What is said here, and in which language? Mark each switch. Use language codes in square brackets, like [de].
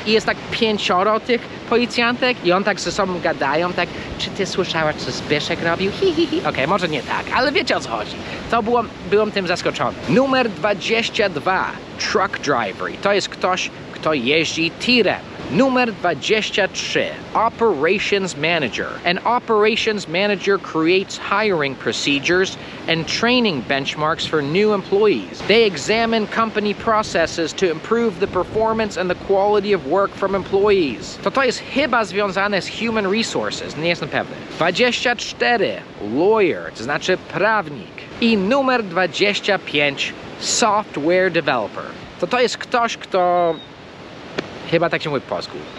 [pl] I jest tak pięcioro tych policjantek i on tak ze sobą gadają, tak, czy ty słyszałaś, co Zbyszek robił? Hihihi. Okej, może nie tak, ale wiecie, o co chodzi. To było, byłem tym zaskoczony. Numer 22. Truck driver. To jest ktoś, kto jeździ tirem. Numer 23. Operations manager. [en] An operations manager creates hiring procedures and training benchmarks for new employees. They examine company processes to improve the performance and the quality of work from employees. [pl] To jest chyba związane z human resources. Nie jestem pewny. 24. Lawyer. To znaczy prawnik. I numer 25. Software developer. To jest ktoś, kto... Chyba tak się mówi w polsku.